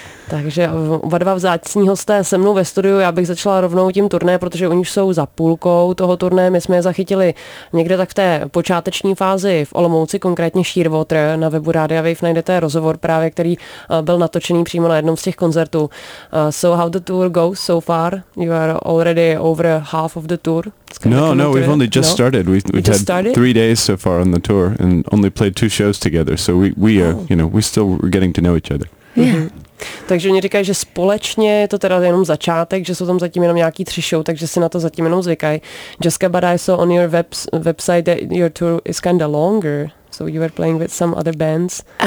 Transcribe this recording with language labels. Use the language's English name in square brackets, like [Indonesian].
[Czech] Takže oba dva vzácní hosté se mnou ve studiu, já bych začala rovnou tím turné, protože oni už jsou za půlkou toho turné. My jsme je zachytili někde tak v té počáteční fázi v Olomouci, konkrétně Sheerwater. Na webu Radia Wave najdete rozhovor právě, který byl natočený přímo na jednom z těch koncertů. [English] So how the tour goes so far? You are already over half of the tour? No, we've only just started. Three days so far on the tour and only played two shows together, so we're still getting to know each other. [Czech] Takže oni říkají, že společně je to teda jenom začátek, že jsou tam zatím jenom nějaký tři show, takže si na to zatím jenom zvykají. [English] Jessica, but I saw on your website that your tour is kind of longer, so you were playing with some other bands.